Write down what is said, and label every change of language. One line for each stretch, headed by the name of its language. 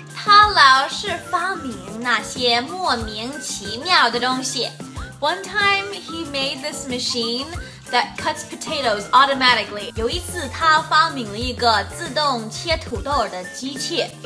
Chinese: 他老是发明那些莫名其妙的东西。
English: One time he made this machine that cuts potatoes automatically.
Chinese: 有一次他发明了一个自动切土豆的机器。